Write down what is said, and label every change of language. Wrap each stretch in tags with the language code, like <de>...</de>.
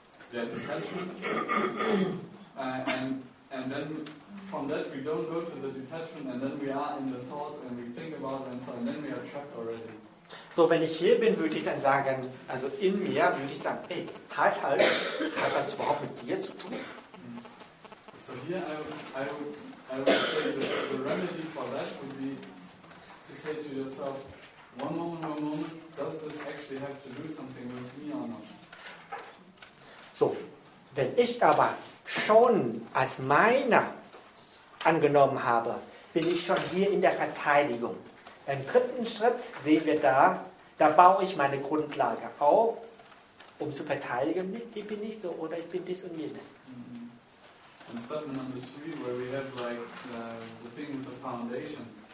<en>The detachment. And then from that we don't go to the detachment and then we are in the thoughts and we think about it and so and then we are trapped already.</en> <de>So, wenn ich hier bin, würde ich dann sagen, also in mir würde ich sagen, ey, halt, hat das überhaupt mit dir zu tun?</de> <en>So here I would say the remedy for that would be to say to yourself, one moment, does this actually have to do something with me or not?</en> <de>So, wenn ich aber schon als meiner angenommen habe, bin ich schon hier in der Verteidigung. Im dritten Schritt sehen wir da, da baue ich meine Grundlage auf, um zu verteidigen, ich bin nicht so oder ich bin dies und jenes.</de> <en>In step number three, where we have like the thing with the foundation.</en>